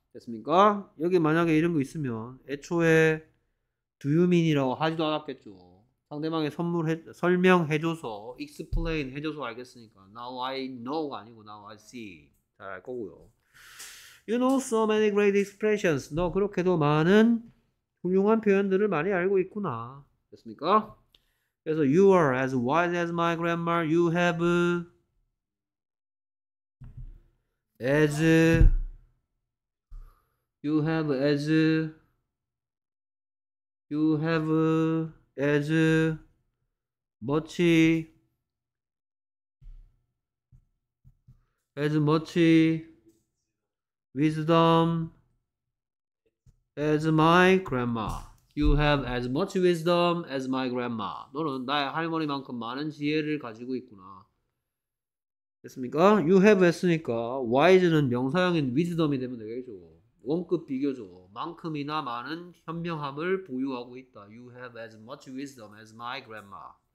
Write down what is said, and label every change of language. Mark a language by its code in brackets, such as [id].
[ko] 됐습니까? 여기 만약에 이런 거 있으면 애초에 [en] do you mean [ko] 이라고 하지도 않았겠죠. 상대방이 설명해줘서 explain 해줘서 알겠으니까 [en] now I know [ko] 가 아니고 [en] now I see [ko] 잘 알 거고요. [en] You know so many great expressions. [ko] 너 그렇게도 많은 훌륭한 표현들을 많이 알고 있구나. 됐습니까? 그래서 [en] you are as wise as my grandma. You have as you have as you have as much as much wisdom as my grandma. You have as much wisdom as my grandma. [ko] 너는 나의 할머니만큼 많은 지혜를 가지고 있구나. 됐습니까? [en] You have [ko] 했으니까 wise는 명사형인 wisdom이 되면 되겠죠. 원급 비교죠. 만큼이나 많은 현명함을 보유하고 있다. [en] You have as much wisdom as my grandma.